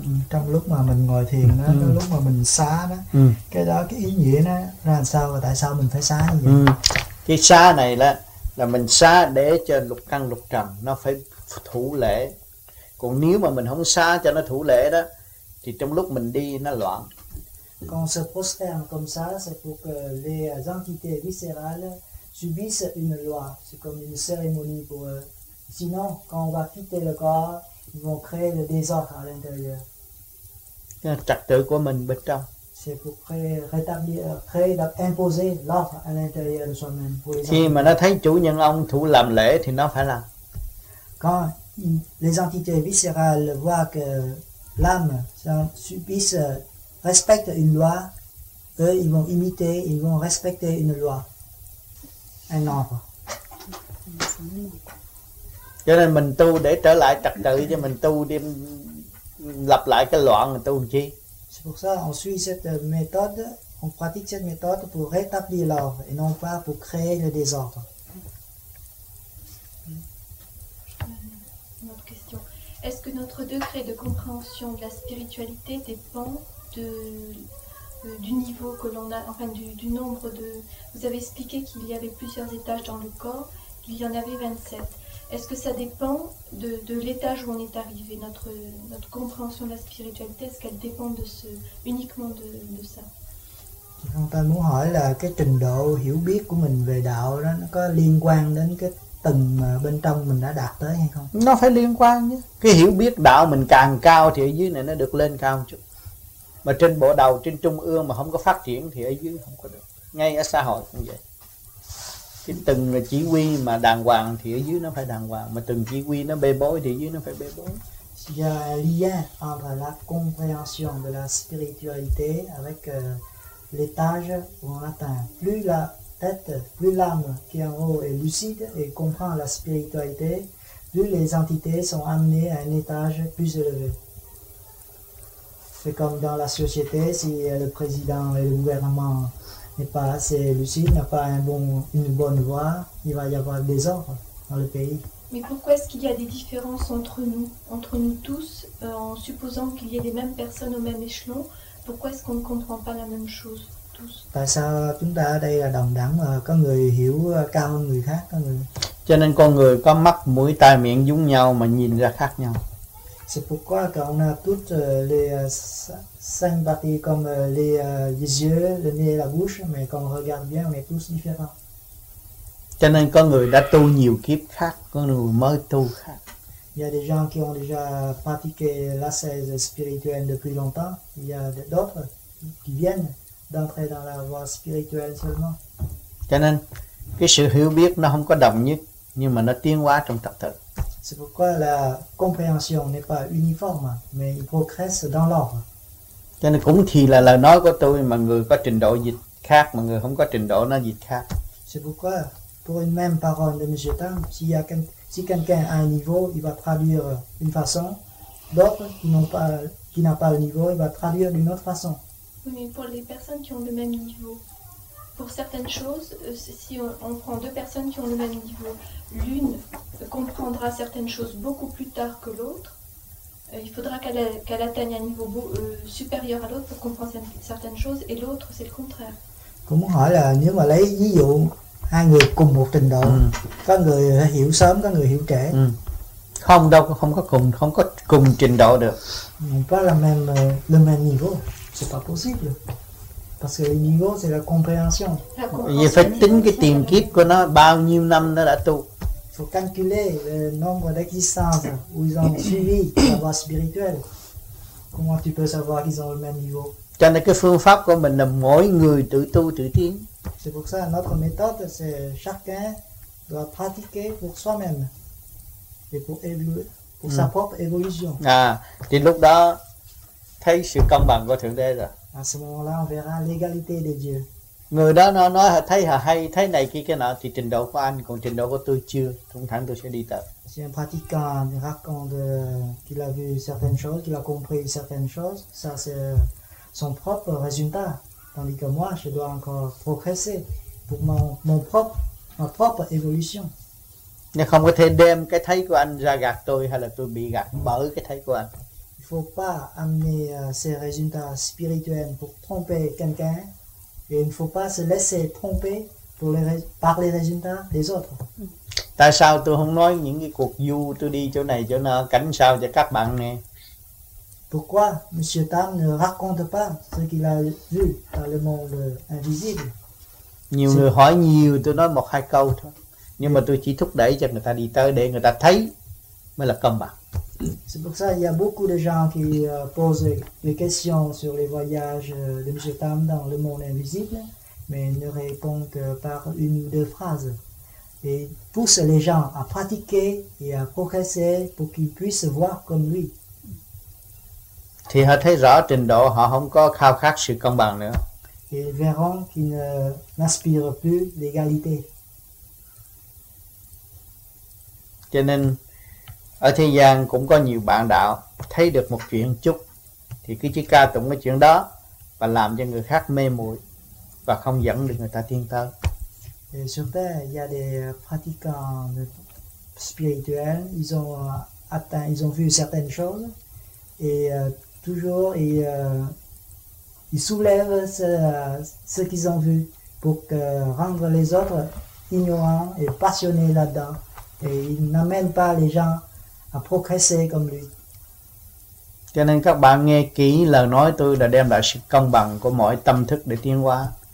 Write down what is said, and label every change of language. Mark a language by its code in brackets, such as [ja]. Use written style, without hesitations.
[vi] Trong lúc mà mình ngồi thiền đó, trong lúc mà mình xá đó, cái đó cái ý nghĩa nó là sao và tại sao mình phải xá như vậy? Cái xá này là mình xá để cho lục căn lục trần nó phải thủ lễ. Còn nếu mà mình không xá cho nó thủ lễ đó thì trong lúc mình đi nó loạn. [fr] Quand on se prosterne comme ça, c'est pour que les entités viscérales subissent une loi, c'est comme une cérémonie pour eux. Sinon, quand on va quitter le corps, ils vont créer le désordre à l'intérieur. [vi] Trật tự của mình bên trong. [fr] C'est pour créer, imposer l'ordre à l'intérieur de soi-même. [vi] Khi mà nó thấy chủ nhân ông thủ làm lễ thì nó phải làm. [fr] Quand les entités viscérales voient que l'âme subisse, respecte une loi, eux, ils vont imiter, ils vont respecter une loi, un ordre. [vi] Cho nên mình tu để trở lại trật tự, cho mình tu đi lập lại cái loạn mình tu làm chi. [fr] C'est pour ça on suit cette méthode, on pratique cette méthode pour rétablir l'ordre et non pas pour créer le désordre. Notre question. Est-ce que notre degré de compréhension de la spiritualité dépend du niveau que l'on a, enfin du nombre de... Vous avez expliqué qu'il y avait plusieurs étages dans le corps, qu'il y en avait 27. Est-ce que ça dépend de l'étage où on est arrivé, notre compréhension de la spiritualité, est-ce qu'elle dépend de ce uniquement de ça? [vi] Thì ông ta muốn hỏi là cái trình độ hiểu biết của mình về đạo đó nó có liên quan đến cái tầng bên trong mình đã đạt tới hay không? Nó phải liên quan chứ. Cái hiểu biết đạo mình càng cao thì ở dưới này nó được lên cao một chút. Mà trên bộ đầu, trên trung ương mà không có phát triển thì ở dưới không có được. Ngay ở xã hội cũng vậy. Cái từng chỉ huy mà đàng hoàng thì ở dưới nó phải đàng hoàng, mà từng chỉ huy nó bê bối thì dưới nó phải bê bối. [fr] Il y a un lien entre la compréhension de la spiritualité avec l'étage où on atteint. Plus la tête, plus l'âme qui est en haut est lucide et comprend la spiritualité, plus les entités sont amenées à un étage plus élevé. C'est comme dans la société, si le président et le gouvernement n'est pas assez lucide, n'a pas une bonne voix, il va y avoir des ordres dans le pays. Mais pourquoi est-ce qu'il y a des différences entre nous tous, en supposant qu'il y ait les mêmes personnes au même échelon, pourquoi est-ce qu'on ne comprend pas la même chose tous? [vi] Tại sao chúng ta ở đây là đồng đẳng, có người hiểu cao hơn người khác, có người... Cho nên con người có mắt, mũi, tai, miệng giống nhau mà nhìn ra khác nhau. [fr] C'est pourquoi qu'on a toutes les cinq parties comme les yeux, le nez et la bouche, mais quand on regarde bien, on est tous différents. [vi] Cho nên có người đã tu nhiều kiếp khác, có người mới tu khác. [fr] Il y a des gens qui ont déjà pratiqué l'ascèse spirituelle depuis longtemps. Il y a d'autres qui viennent d'entrer dans la voie spirituelle seulement. [vi] Cho nên cái sự hiểu biết nó không có đồng nhất, nhưng mà nó tiến hóa trong tập thực. [fr] C'est pourquoi la compréhension n'est pas uniforme, mais il progresse dans l'ordre. [vi] Cho nên cũng thì là lời nói của tôi, mà người có trình độ dịch khác, mà người không có trình độ nó dịch khác. [fr] C'est pourquoi pour une même parole de M. Tam, si quelqu'un a un niveau, il va traduire d'une façon, d'autres qui n'ont pas le niveau, il va traduire d'une autre façon. Oui, mais pour les personnes qui ont le même niveau, pour certaines choses, si on prend deux personnes qui ont le même niveau, l'une comprendra certaines choses beaucoup plus tard que l'autre, il faudra qu'elle atteigne un niveau supérieur à l'autre pour comprendre certaines choses, et l'autre, c'est le contraire. [vi] Comment hỏi là, nếu mà lấy ví dụ, hai người cùng một trình độ, có người hiểu sớm, có người hiểu trễ. Không đâu, không có cùng trình độ được. [fr] Non pas le même niveau, c'est pas possible. Parce que le niveau, c'est la compréhension. Il faut [vi] tính cái tiền kiếp của nó, bao nhiêu năm nó đã tu. [fr] Faut calculer le nombre d'existences où ils ont suivi la voie spirituelle. Comment tu peux savoir qu'ils ont le même niveau? [vi] Cho nên cái phương pháp của mình là mỗi người tự tu tự tiến. [fr] C'est pour ça notre méthode, c'est chacun doit pratiquer pour soi-même et pour évoluer, pour sa propre évolution. [vi] À, thì lúc đó thấy sự công bằng của Thượng Đế rồi. [fr] À ce moment-là, on verra l'égalité de Dieu. [vi] Người đó nó nói thấy hay, thấy này kia cái nọ thì trình độ của anh, còn trình độ của tôi chưa, thông thẳng tôi sẽ đi tập. [fr] Si un pratiquant raconte qu'il a vu certaines choses, qu'il a compris certaines choses, ça c'est son propre résultat. Tandis que moi, je dois encore progresser pour ma propre évolution. [vi] Nên không có thể đem cái thấy của anh ra gạt tôi, hay là tôi bị gạt bởi cái thấy của anh. [fr] Il faut pas amener ces résultats spirituels pour tromper quelqu'un, et il ne faut pas se laisser tromper par les résultats des autres. [vi] Tại sao tôi không nói những cái cuộc du tôi đi chỗ này chỗ nọ cảnh sao cho các bạn nghe? [fr] Pourquoi M. Tam ne raconte pas ce qu'il a vu dans le monde invisible? [vi] Nhiều người hỏi nhiều, tôi nói một hai câu thôi. Nhưng mà tôi chỉ thúc đẩy cho người ta đi tới để người ta thấy mới là công bằng. [fr] C'est pour ça qu'il y a beaucoup de gens qui posent des questions sur les voyages de M. Tam dans le monde invisible, mais ne répondent que par une ou deux phrases. Et poussent les gens à pratiquer et à progresser pour qu'ils puissent voir comme lui. [vi] Thì họ thấy rõ trình độ, họ không có khao khát sự công bằng nữa. [fr] Ils verront qu'ils n'aspirent plus l'égalité. [vi] Cho nên ở thế gian cũng có nhiều bạn đạo thấy được một chuyện chút thì cứ chỉ ca tụng cái chuyện đó và làm cho người khác mê muội và không dẫn được người ta tiến tới. [fr] Et sur terre, il y a des pratiquants spirituels, ils ont atteint, ils ont vu certaines choses et toujours ils soulèvent ce qu'ils ont vu pour que rendre les autres ignorants et passionnés là-dedans, et ils n'amènent pas les gens à progresser comme lui. [vi] Cho nên các bạn nghe kỹ lời nói tôi là đem lại sự công bằng của mỗi tâm thức để tiến hóa.